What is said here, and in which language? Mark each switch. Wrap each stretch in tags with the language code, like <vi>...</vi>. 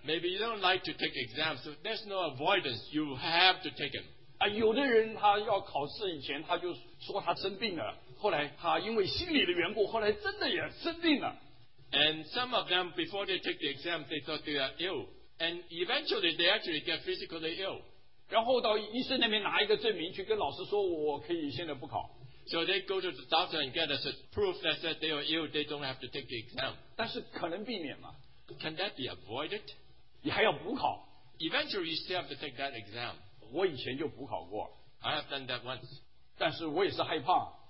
<en>Maybe you don't like to take exams, so there's no avoidance. You have to take them.</en> <zh>有的人他要考试以前，他就说他生病了，后来他因为心理的缘故，后来真的也生病了。</zh> <en>And some of them, before they take the exam, they thought they are ill. And eventually, they actually get physically ill.</en> <zh>然后到医生那边拿一个证明去跟老师说，我可以现在不考。</zh> <en>So they go to the doctor and get a proof that said they are ill, they don't have to take the exam.</en> <zh>但是可能避免吗?</zh> <en>Can that be avoided?</en> <zh>你还要补考?</zh> <en>Eventually you still have to take that exam.</en> <zh>我以前就补考过。</zh> <en>I have done that once.</en> <zh>但是我也是害怕。</zh>